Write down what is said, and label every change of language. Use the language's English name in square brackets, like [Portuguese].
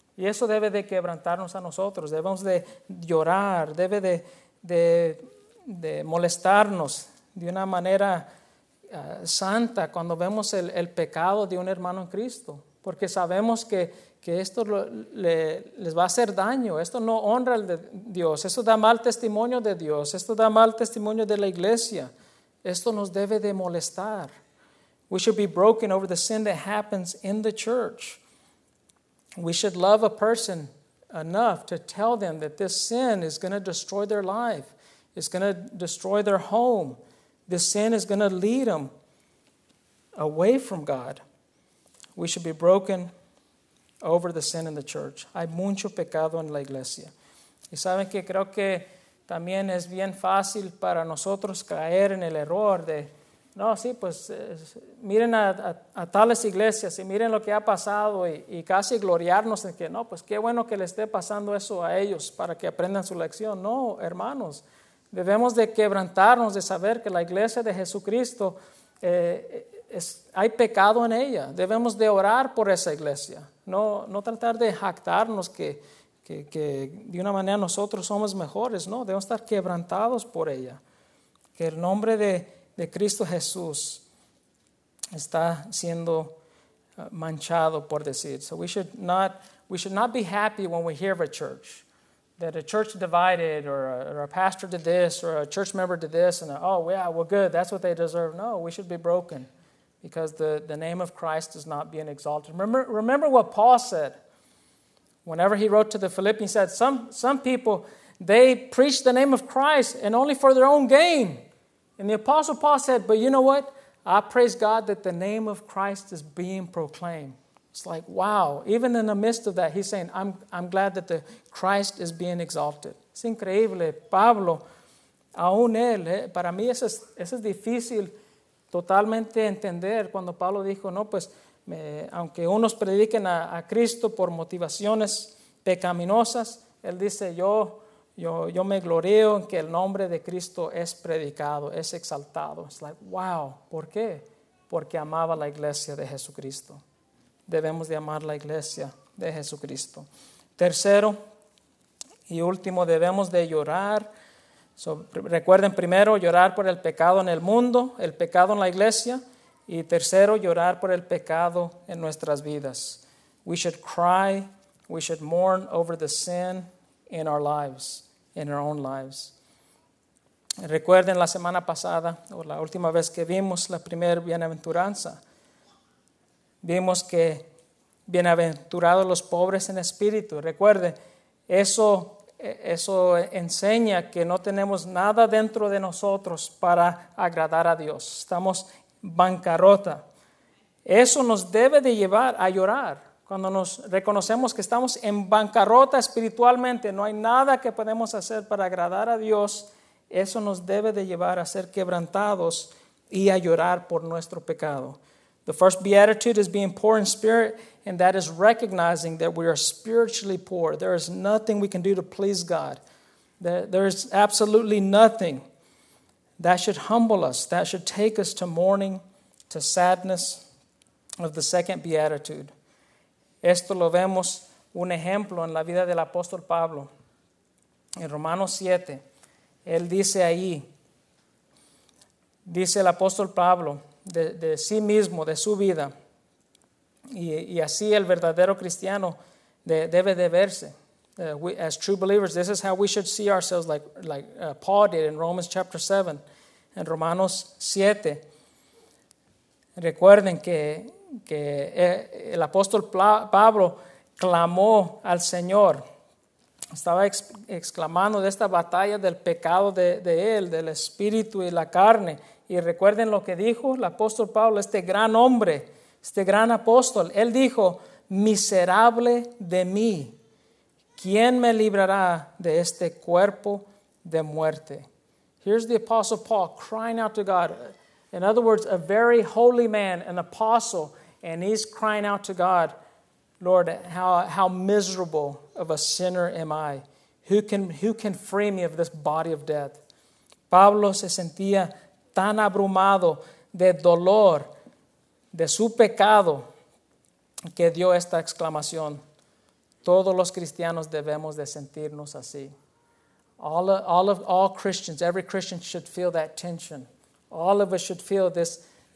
[Spanish] Y eso debe de quebrantarnos a nosotros, debemos de llorar, debe de molestarnos de una manera santa cuando vemos el pecado de un hermano en Cristo. Porque sabemos que esto les va a hacer daño, esto no honra a Dios, esto da mal testimonio de Dios, esto da mal testimonio de la iglesia, esto nos debe de molestar. [English] We should be broken over the sin that happens in the church. We should love a person enough to tell them that this sin is going to destroy their life. It's going to destroy their home. This sin is going to lead them away from God. We should be broken over the sin in the church. [Spanish] Hay mucho pecado en la iglesia. Y saben que creo que también es bien fácil para nosotros caer en el error de, no, sí, pues miren a tales iglesias y miren lo que ha pasado y casi gloriarnos en que, no, pues qué bueno que le esté pasando eso a ellos para que aprendan su lección. No, hermanos, debemos de quebrantarnos, de saber que la iglesia de Jesucristo, hay pecado en ella. Debemos de orar por esa iglesia. No tratar de jactarnos que de una manera nosotros somos mejores. No, debemos estar quebrantados por ella. Que el nombre de Cristo Jesús está siendo manchado, por decir. [English] So we should not be happy when we hear of a church that a church divided or a pastor did this or a church member did this and oh yeah, well good, that's what they deserve. No, we should be broken because the name of Christ is not being exalted. Remember what Paul said whenever he wrote to the Philippians. He said some people, they preach the name of Christ and only for their own gain. And the Apostle Paul said, but you know what? I praise God that the name of Christ is being proclaimed. It's like, wow. Even in the midst of that, he's saying, I'm glad that the Christ is being exalted. [Spanish] Es increíble. Pablo, aún él, para mí eso es difícil totalmente entender cuando Pablo dijo, no, pues, aunque unos prediquen a Cristo por motivaciones pecaminosas, él dice, Yo me glorío en que el nombre de Cristo es predicado, es exaltado. [English] It's like, wow, [Spanish] ¿por qué? Porque amaba la iglesia de Jesucristo. Debemos de amar la iglesia de Jesucristo. Tercero y último, debemos de llorar. So, recuerden primero, llorar por el pecado en el mundo, el pecado en la iglesia. Y tercero, llorar por el pecado en nuestras vidas. [English] We should cry, we should mourn over the sin in our lives, in our own lives. [Spanish] Recuerden la semana pasada, o la última vez que vimos la primera bienaventuranza, vimos que bienaventurados los pobres en espíritu. Recuerden, eso enseña que no tenemos nada dentro de nosotros para agradar a Dios. Estamos bancarrota. Eso nos debe de llevar a llorar. Cuando nos reconocemos que estamos en bancarrota espiritualmente, no hay nada que podemos hacer para agradar a Dios, eso nos debe de llevar a ser quebrantados y a llorar por nuestro pecado. [English] The first beatitude is being poor in spirit, and that is recognizing that we are spiritually poor. There is nothing we can do to please God. There is absolutely nothing. That should humble us. That should take us to mourning, to sadness of the second beatitude. [Spanish] Esto lo vemos un ejemplo en la vida del apóstol Pablo. En Romanos 7, él dice ahí, dice el apóstol Pablo de sí mismo, de su vida, y así el verdadero cristiano debe de verse. [English] As true believers, this is how we should see ourselves like Paul did in Romans chapter 7. [Spanish] En Romanos 7, recuerden que el apóstol Pablo clamó al Señor, estaba exclamando de esta batalla del pecado de él, del espíritu y la carne. Y recuerden lo que dijo el apóstol Pablo, este gran hombre, este gran apóstol. Él dijo, miserable de mí, ¿quién me librará de este cuerpo de muerte? [English] Here's the apostle Paul crying out to God. In other words, a very holy man, an apostle. And he's crying out to God, Lord, how miserable of a sinner am I? Who can free me of this body of death? [Spanish] Pablo se sentía tan abrumado de dolor, de su pecado, que dio esta exclamación. Todos los cristianos debemos de sentirnos así. [English] All Christians, every Christian should feel that tension. All of us should feel this